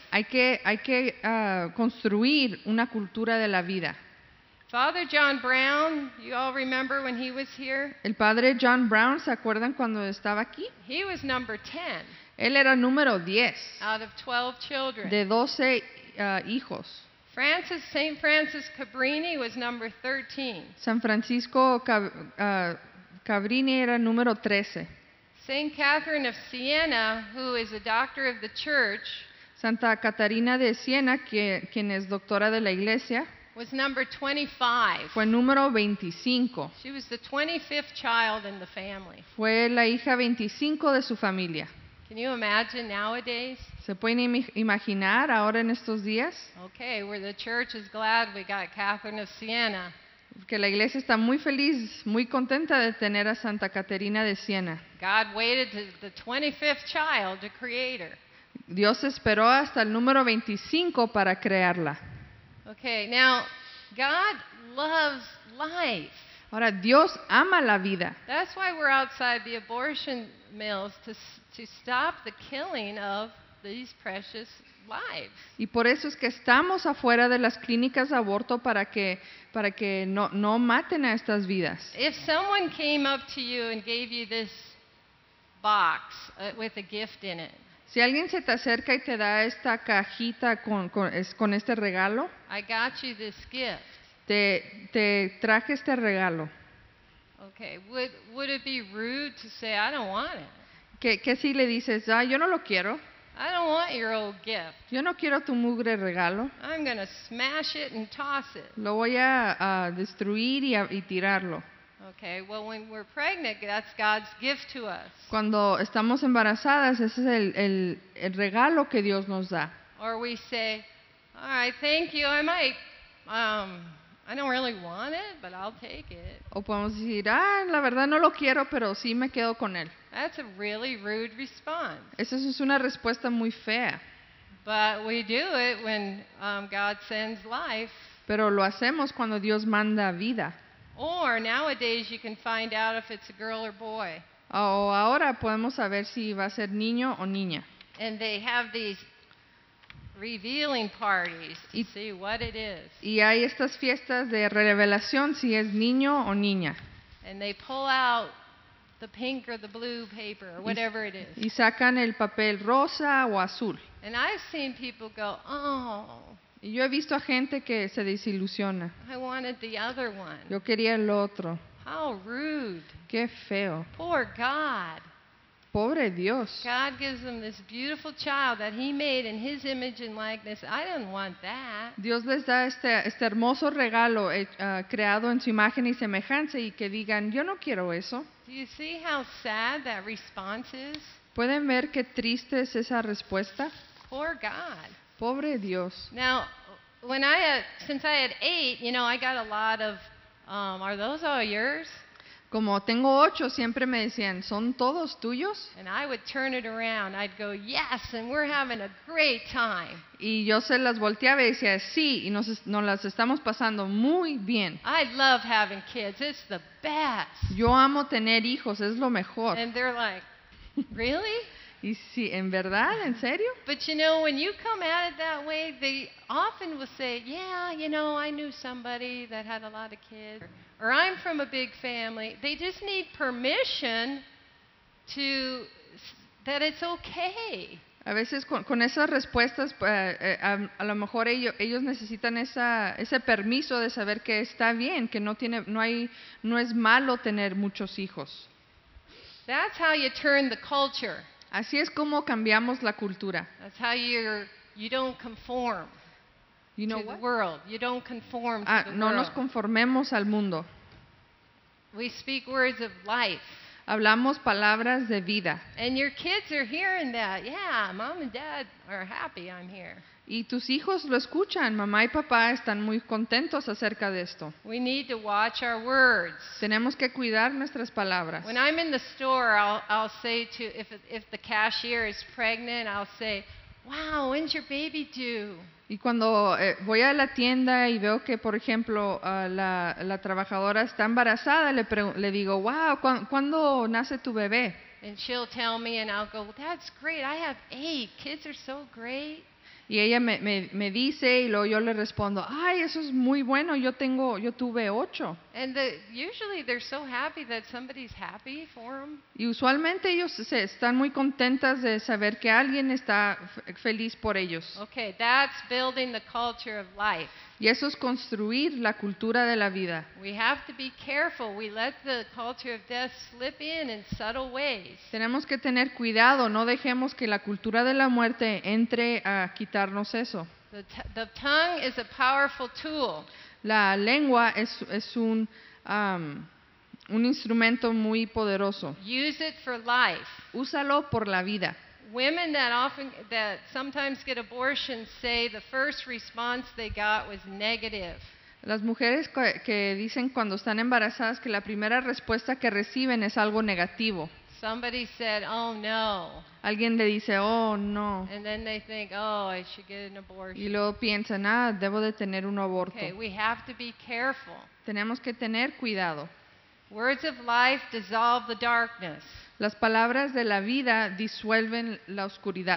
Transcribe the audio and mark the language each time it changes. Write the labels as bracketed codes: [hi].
[es] Hay que construir una cultura de la vida. [en] Father John Brown, you all remember when he was here? [es] El padre John Brown, ¿se acuerdan cuando estaba aquí? [en] He was number 10. [es] Él era número 10. [en] Out of 12 children. [es] De 12 hijos. [en] Francis Saint Francis Cabrini was number 13. [es] San Francisco Cabrini era número 13. [en] Saint Catherine of Siena, who is a doctor of the church. [es] Santa Catarina de Siena, quien es doctora de la iglesia. [en] was number 25. [es] Fue número 25. [en] She was the 25th child in the family. [es] Fue la hija 25 de su familia. [en] Can you imagine nowadays? [es] ¿Se pueden imaginar ahora en estos días? [en] Okay, where the church is glad we got Catherine of Siena. [es] Que la iglesia está muy feliz, muy contenta de tener a Santa Caterina de Siena. [en] God waited to the 25th child to create her. [es] Dios esperó hasta el número 25 para crearla. [en] Okay, now God loves life. [es] Ahora Dios ama la vida. [en] That's why we're outside the abortion mills to stop the killing of these precious lives. [es] Y por eso es que estamos afuera de las clínicas de aborto para que no maten a estas vidas. [en] If someone came up to you and gave you this box with a gift in it. [es] Si alguien se te acerca y te da esta cajita con este regalo. [en] I got you this gift. [es] Te traje este regalo. [en] Okay, would it be rude to say I don't want it? [es] ¿Qué si le dices, yo no lo quiero? [en] I don't want your old gift. [es] Yo no quiero tu mugre regalo. [en] I'm gonna smash it and toss it. [es] Lo voy a destruir y tirarlo. [en] Okay, well, when we're pregnant, that's God's gift to us. [es] Cuando estamos embarazadas, ese es el regalo que Dios nos da. [en] Or we say, all right, thank you, I might, I don't really want it, but I'll take it. [es] O podemos decir, la verdad no lo quiero, pero sí me quedo con él. [en] That's a really rude response. [es] Esa es una respuesta muy fea. [en] But we do it when God sends life. [es] Pero lo hacemos cuando Dios manda vida. [en] Or nowadays you can find out if it's a girl or boy. [es] O ahora podemos saber si va a ser niño o niña. [en] And they have these revealing parties to see what it is. [es] Y hay estas fiestas de revelación si es niño o niña. [en] And they pull out the pink or the blue paper or whatever it is. [es] Y sacan el papel rosa o azul. [en] And I've seen people go, oh. [es] Y yo he visto a gente que se desilusiona. [en] I wanted the other one. [es] Yo quería el otro. [en] How rude. [es] Qué feo. [en] Poor God. [es] Pobre Dios. [en] God gives them this beautiful child that he made in his image and likeness. I don't want that. [es] Dios les da este hermoso regalo creado en su imagen y semejanza y que digan, yo no quiero eso. [en] Do you see how sad that response is? [es] ¿Pueden ver qué triste es esa respuesta? [en] Poor God. [es] Pobre Dios. [en] Now, since I had 8, you know, I got a lot of, are those all yours? [es] Como tengo 8, siempre me decían, ¿son todos tuyos? [en] And I would turn it around. I'd go, yes, and we're having a great time. [es] Y yo se las volteaba y decía, sí, y nos las estamos pasando muy bien. [en] I love having kids. It's the best. [es] Yo amo tener hijos. Es lo mejor. [en] And they're like, really? [es] Y sí, ¿en verdad? ¿En serio? [en] But you know, when you come at it that way, they often will say, yeah, you know, I knew somebody that had a lot of kids. Or I'm from a big family. They just need permission to, that it's okay. [es] A veces con esas respuestas, a lo mejor ellos necesitan ese permiso de saber que está bien, que no es malo tener muchos hijos. [en] That's how you turn the culture. [es] Así es como cambiamos la cultura. [en] That's how you don't conform. You know to what? The world. You don't conform to the [es] no [en] world. [es] Nos conformemos al mundo. [en] We speak words of life. [es] Hablamos palabras de vida. [en] And your kids are hearing that. Yeah, mom and dad are happy I'm here. [es] Y tus hijos lo escuchan. Mamá y papá están muy contentos acerca de esto. [en] We need to watch our words. [es] Tenemos que cuidar nuestras palabras. [en] When I'm in the store, I'll say to, if the cashier is pregnant, I'll say, wow, when's your baby due? [es] Y cuando voy a la tienda y veo que, por ejemplo, la trabajadora está embarazada, le digo, wow, ¿cuándo nace tu bebé? [en] And she'll tell me and I'll go, well, that's great, I have 8, kids are so great. [es] Y ella me dice y luego yo le respondo, ay, eso es muy bueno, yo tuve 8. [en] And usually they're so happy that somebody's happy for them. [es] Y usualmente ellos se están muy contentas de saber que alguien está feliz por ellos. [en] Okay, that's building the culture of life. [es] Y eso es construir la cultura de la vida. [en] We have to be careful. We let the culture of death slip in subtle ways. [es] Tenemos que tener cuidado. No dejemos que la cultura de la muerte entre a quitarnos eso. [en] The tongue is a powerful tool. [es] La lengua es un un instrumento muy poderoso. [en] Use it for life. [es] Úsalo por la vida. [en] Women that sometimes get abortions say the first response they got was negative. [es] Las mujeres que dicen cuando están embarazadas que la primera respuesta que reciben es algo negativo. [en] Somebody said, "Oh no." [es] Alguien le dice, "Oh no." [en] And then they think, "Oh, I should get an abortion." [es] Y luego piensan, "Ah, debo de tener un aborto." [en] Okay, we have to be careful. [es] Tenemos que tener cuidado. [en] Words of life dissolve the darkness. [es] Las palabras de la vida disuelven la oscuridad.